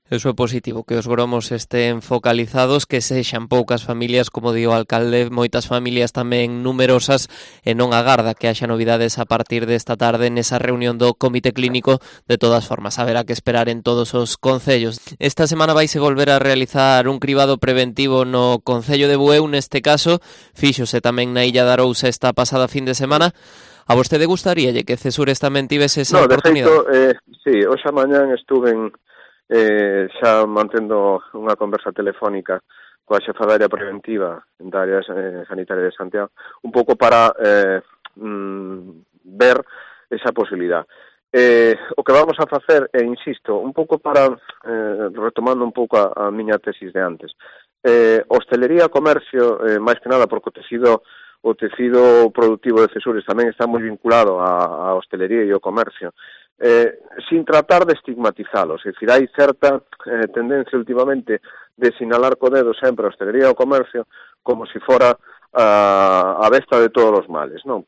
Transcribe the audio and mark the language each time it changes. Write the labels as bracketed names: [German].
[Galician] Eso é positivo, que os gromos estén focalizados, que sexan poucas familias, como digo o alcalde, moitas familias tamén numerosas, e non agarda que haxa novidades a partir desta tarde nesa reunión do Comité Clínico. De todas formas, haberá que esperar en todos os concellos. Esta semana vais a volver a realizar un cribado preventivo no Concello de Bueu, neste caso, fíxose tamén na Illa de Arousa esta pasada fin de semana. [Spanish] ¿A usted le gustaría que Cesures también [Galician] tivese [Spanish] esa oportunidad? [Galician] No, de feito, sí, esa mañana estuve xa mantendo unha conversa telefónica coa xefa da área preventiva da área sanitaria de Santiago, un pouco para ver esa posibilidad. O que vamos a facer, e insisto, un pouco para, retomando un pouco a miña tesis de antes, hostelería, comercio, máis que nada, porque o tecido productivo de Cesures tamén está moi vinculado a hostelería e ao comercio, sin tratar de estigmatizálos, es decir, hai certa tendencia últimamente de sinalar co dedo sempre a hostelería e o comercio como si fora a besta de todos os males, non?